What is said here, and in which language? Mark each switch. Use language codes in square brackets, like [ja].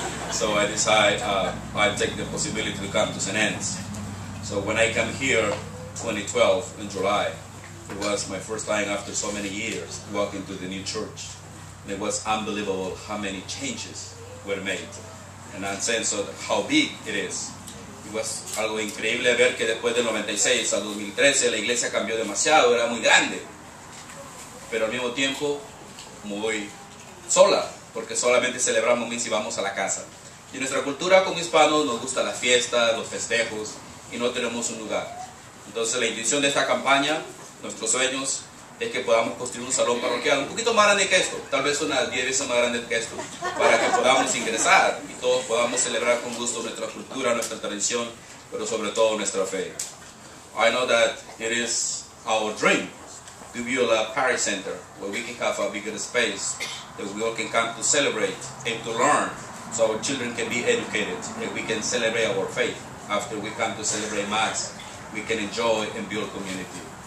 [en] So I decide I take the possibility to come to St. Anne's. So when I come here, 2012, in July, it was my first time after so many years walking to the new church. And it was unbelievable how many changes were made. And I'm saying so how big it is. It was [es] algo increíble ver que después de 96 a 2013 la iglesia cambió demasiado, era muy grande. Pero al mismo tiempo, me voy sola, porque solamente celebramos misa y vamos a la casa. Y en nuestra cultura como hispanos nos gusta la fiesta, los festejos, y no tenemos un lugar. Entonces la intención de esta campaña, nuestros sueños, es que podamos construir un salón parroquial un poquito más grande que esto, tal vez unas 10 veces más grande que esto, para que podamos ingresar y todos podamos celebrar con gusto nuestra cultura, nuestra tradición, pero sobre todo nuestra fe. [en] I know that it is our dream to build a parish center where we can have a bigger space that we all can come to celebrate and to learn so our children can be educated and we can celebrate our faith. After we come to celebrate Mass, we can enjoy and build community.